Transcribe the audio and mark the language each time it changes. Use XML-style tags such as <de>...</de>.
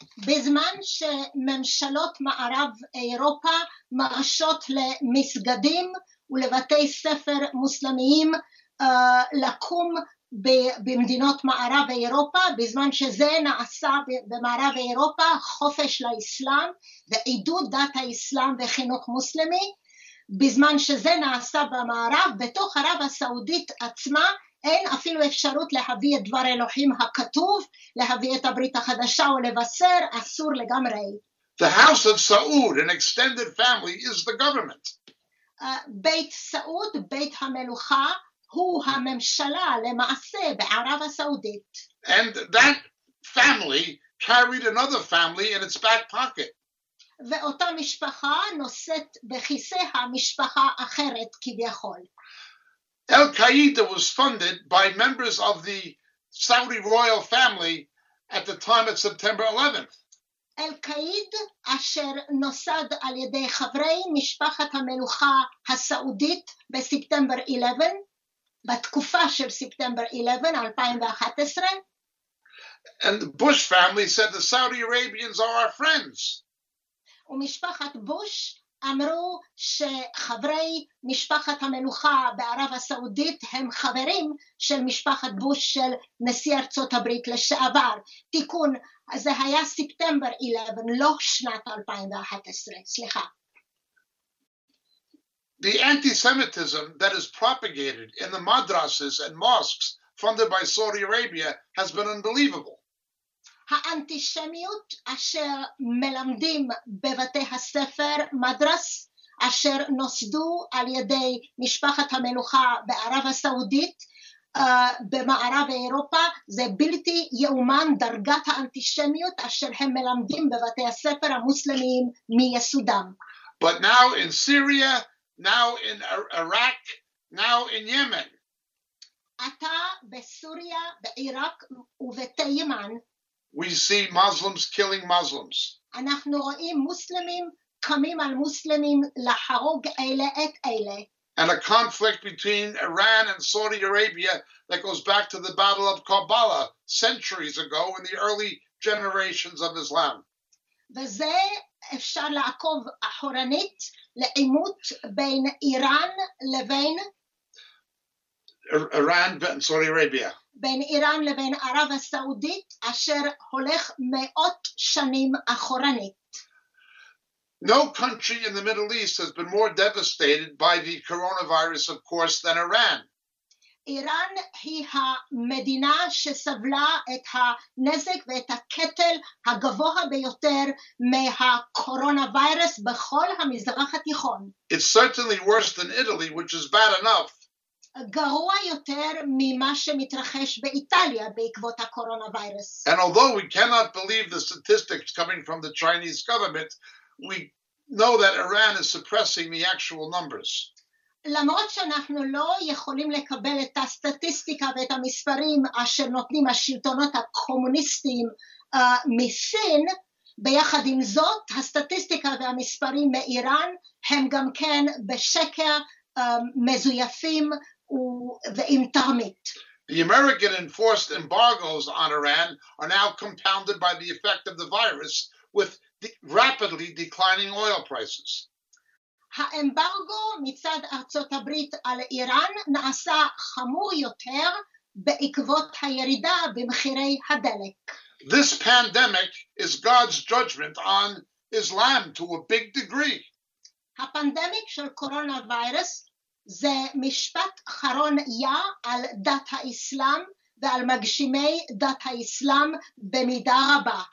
<he>בזמן שממשלות מערב אירופה מרשות למסגדים ולבתי ספר מוסלמיים לקום במדינות מערב אירופה, בזמן שזה נעשה במערב אירופה, חופש לאסלאם ועידוד דת האסלאם וחינוך מוסלמי, בזמן שזה נעשה במערב, בתוך ערב הסעודית עצמה, אין אפילו אפשרות להביא את דבר אלוהים הכתוב, להביא את הברית החדשה ולבשר, אסור לגמרי.</he> <en>The house of Saud, an extended family, is the government.</en> <he>בית סעוד, בית המלוכה, הוא הממשלה למעשה בערב הסעודית.</he> <en>And that family carried another family in its back pocket.</en> <he>ואותה משפחה נושאת בכיסא המשפחה אחרת כביכול.</he> <en>Al-Qaeda was funded by members of the Saudi royal family at the time of September 11th.</en> <he>אל-קאיד אשר נוסד על ידי חברי משפחת המלוכה הסעודית בספטמבר 11, בתקופה של ספטמבר 11, 2011.</he> <en>And the Bush family said the Saudi Arabians are our friends.</en> <he>ומשפחת בוש אמרו שחברי משפחת המלוכה בערב הסעודית הם חברים של משפחת בוש של נשיא ארצות הברית לשעבר. תיקון, זה היה ספטמבר 11, לא שנת 2011, סליחה.</he> <en>The anti-Semitism that is propagated in the madrasas and mosques funded by Saudi Arabia has been unbelievable.</en> <he>האנטישמיות אשר מלמדים בבתי הספר מדרס אשר נוסדו על ידי משפחת המלוכה בערב הסעודית במערב אירופה זה בלתי יאומן דרגת האנטישמיות אשר הם מלמדים בבתי הספר המוסלמיים מיסודם.</he> <en>But now in Syria, now in Iraq, now in Yemen.</en> <he>אתה בסוריה, בעיראק ובתימן.</he> <en>We see Muslims killing Muslims.</en> <he>אנחנו רואים מוסלמים קמים על מוסלמים להרוג אלה את אלה.</he> <en>And a conflict between Iran and Saudi Arabia that goes back to the Battle of Karbala centuries ago in the early generations of Islam.</en> <he>וזה אפשר לעקוב אחורנית לעימות בין איראן לבין</he> <en>Iran and Saudi Arabia.</en> <he>בין איראן לבין ערב הסעודית אשר הולך מאות שנים אחורנית.</he> <en>No country in the Middle East has been more devastated by the coronavirus, of course, than Iran.</en> <he>Iran היא המדינה שסבלה את הנזק ואת הקטל הגבוה ביותר מהקורונה-וירוס בכל המזרח התיכון.</he> <en>It's certainly worse than Italy, which is bad enough.</en> <he>גרוע יותר ממה שמתרחש באיטליה בעקבות הקורונה-וירוס.</he> <en>And although we cannot believe the statistics coming from the Chinese government, we know that Iran is suppressing the actual numbers.</en> <he>למרות שאנחנו לא יכולים לקבל את הסטטיסטיקה ואת המספרים אשר נותנים השלטונות הקומוניסטיים מסין, ביחד עם זאת, הסטטיסטיקה והמספרים מאיראן הם גם כן בשקר מזויפים ועם תרמית.</he> <en>The American enforced embargoes on Iran are now compounded by the effect of the virus with rapidly declining oil prices.</en> <he>האמברגו מצד ארצות הברית על איראן נעשה חמור יותר בעקבות הירידה במחירי הדלק.</he> <en>This pandemic is God's judgment on Islam to a big degree.</en> <he>הפנדמיק של קורונה וירוס זה משפט חרון יה על דת האסלאם ועל מגשימי דת האסלאם במידה רבה.</he>